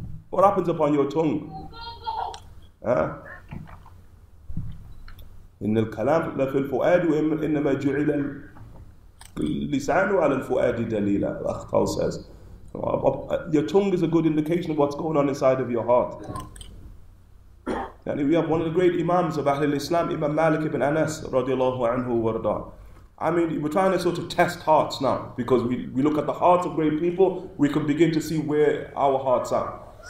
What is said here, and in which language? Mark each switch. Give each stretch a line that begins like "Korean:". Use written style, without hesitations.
English: What happens upon your tongue?
Arabic: إن الكلام لفي الفؤاد وإنما جعل اللسان على الفؤاد دليلا. الأخ قال
English: says, your tongue is a good indication of what's going on inside of your heart. And we have one of the great imams of Ahlul Islam, Imam Malik ibn Anas, radiallahu anhu warda. I mean, we're trying to sort of test hearts now, because we look at the hearts of great people, we can begin to see where our hearts are.